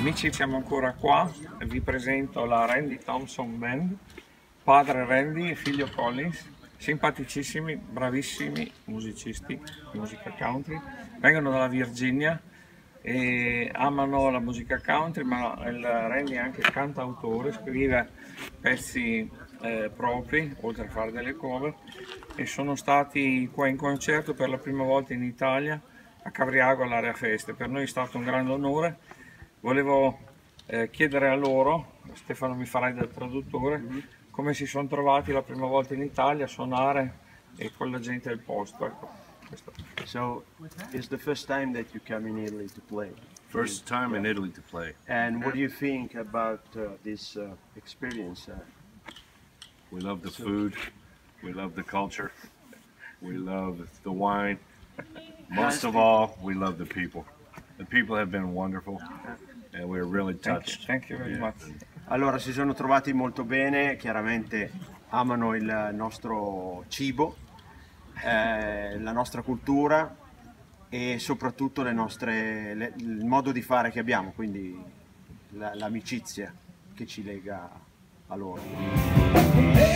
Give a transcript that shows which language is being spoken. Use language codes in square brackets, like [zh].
[it] Siamo ancora qua, vi presento la Randy Thompson Band, padre Randy e figlio Collins, simpaticissimi, bravissimi musicisti, musica country, vengono dalla Virginia e amano la musica country, ma il Randy è anche cantautore, scrive pezzi propri, oltre a fare delle cover, e sono stati qua in concerto per la prima volta in Italia, a Cavriago, all'Area Feste. Per noi è stato un grande onore. Volevo chiedere a loro, Stefano mi farai da traduttore, come si sono trovati la prima volta in Italia a suonare e con la gente del posto. Ecco, questo. [en] So, is the first time that you come in Italy to play? First time in Italy to play. And what do you think about this experience? We love the food, we love the culture, we love the wine. Most of all, we love the people. The people have been wonderful and we're really touched. Thank you very much. [it] Allora, si sono trovati molto bene, chiaramente amano il nostro cibo, la nostra cultura e soprattutto il modo di fare che abbiamo, quindi l'amicizia che ci lega a loro.